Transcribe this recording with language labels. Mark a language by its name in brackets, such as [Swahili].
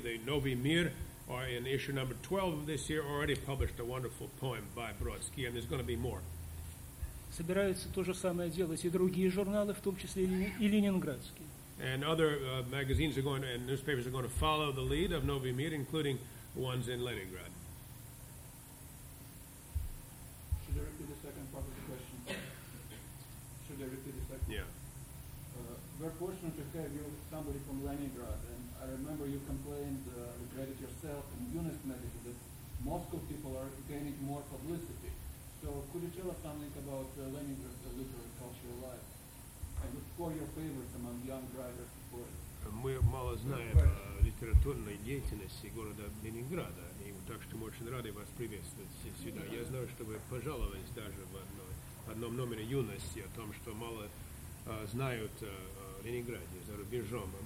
[English] The «Новый мир» are in issue number 12 of this year already published a wonderful poem by Brodsky, and there's going to be more. [Russian] Собираются то же самое делать и другие журналы, в том числе и ленинградские. [English] And other magazines are going to, and newspapers are going to follow the lead of Novi Mir, including ones in Leningrad. Should there be the second part of the question? Should I repeat the second? Yeah. We're fortunate to have you, somebody from Leningrad, and I remember you complained, regretted yourself in UNIS magazine that Moscow people are gaining more publicity. So could you tell us something about Leningrad's literary cultural life? And what are your favorites among young writers? [Russian] Мы мало знаем о литературной деятельности города Ленинграда, и так что мы очень рады вас приветствовать сюда. Я знаю, что вы пожаловались даже в одном номере юности о том, что мало знают о Ленинграде за рубежом.